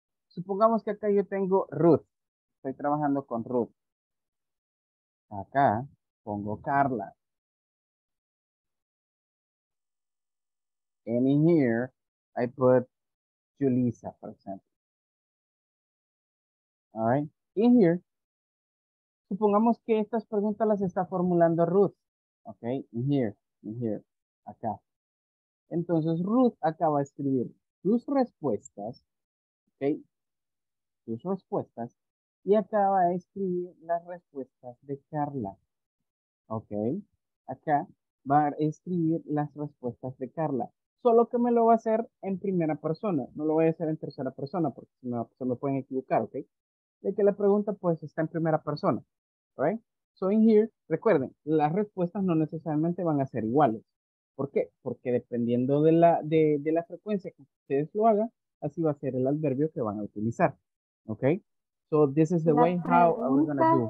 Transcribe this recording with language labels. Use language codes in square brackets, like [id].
[es] Supongamos que acá yo tengo Ruth. Estoy trabajando con Ruth. Acá pongo Carla. [en] And in here, I put Julissa, for example. All right. In here, [es] supongamos que estas preguntas las está formulando Ruth. Okay, [en] in here, [es] acá. Entonces, Ruth acaba de escribir sus respuestas, okay, sus respuestas, y acaba de escribir las respuestas de Carla, okay, acá va a escribir las respuestas de Carla, solo que me lo va a hacer en primera persona, no lo voy a hacer en tercera persona, porque si no, se me pueden equivocar, okay, de que la pregunta, pues, está en primera persona, right? [en] So in here, [es] recuerden, las respuestas no necesariamente van a ser iguales. ¿Por qué? Porque dependiendo de la frecuencia que ustedes lo hagan, así va a ser el adverbio que van a utilizar. ¿Ok? [en] So this is the way how we're going to do.